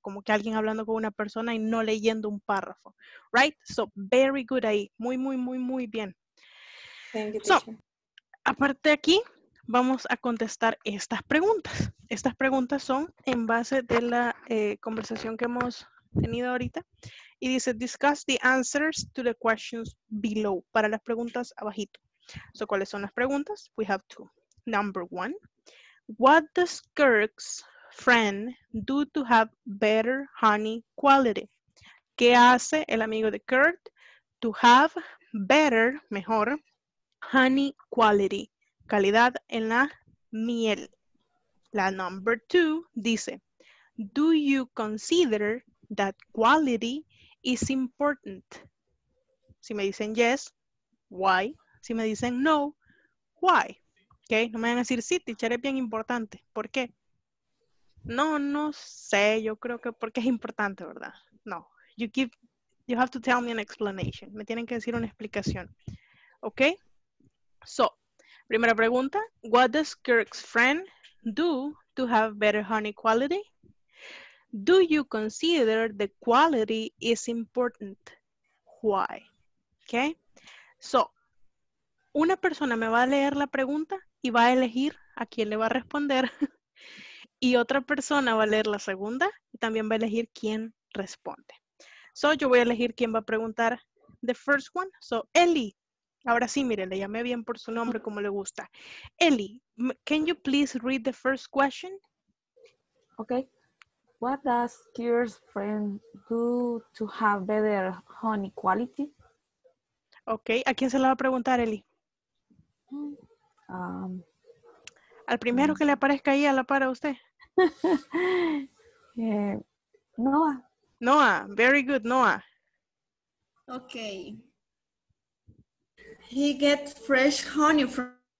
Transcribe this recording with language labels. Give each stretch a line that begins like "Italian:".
Spanish: Como que alguien hablando con una persona y no leyendo un párrafo.
English: Right? So, very good
Spanish: ahí. Muy, muy, muy, muy bien.
English: Thank you, teacher.
Spanish: Aparte de aquí, vamos a contestar estas preguntas. Estas preguntas son en base de la conversación que hemos tenido ahorita. Y dice,
English: discuss the answers to the questions below.
Spanish: Para las preguntas abajito. So, ¿cuáles son las preguntas?
English: We have two. Number one, what does Kirk's friend do to have better honey quality?
Spanish: ¿Qué hace el amigo de Kirk
English: to have better,
Spanish: mejor, honey quality, calidad en la miel?
English: La number two
Spanish: dice,
English: do you consider that quality is important?
Spanish: Si me dicen
English: yes, why?
Spanish: Si me dicen
English: no, why?
Spanish: Okay, no me van a decir sí, teacher, es bien importante. ¿Por qué? No, no sé, yo creo que porque es importante, ¿verdad?
English: No, you have to tell me an explanation.
Spanish: Me tienen que decir una explicación. Okay? So, primera pregunta,
English: what does Kirk's friend do to have better honey quality? Do you consider the quality is important? Why? Okay?
Spanish: So, una persona me va a leer la pregunta y va a elegir a quién le va a responder. Y otra persona va a leer la segunda y también va a elegir quién responde. So, yo voy a elegir quién va a preguntar
English: the first one.
Spanish: So, Ellie. Ahora sí, mire, le llamé bien por su nombre, como le gusta.
English: Ellie, can you please read the first question? Okay. What does Kier's friend do to have better honey quality? Okay.
Spanish: ¿A quién se la va a preguntar, Ellie? Al primero que le aparezca ahí a la par a usted. Noah.
English: Noah, very good, Noah. Okay. He gets fresh honey from...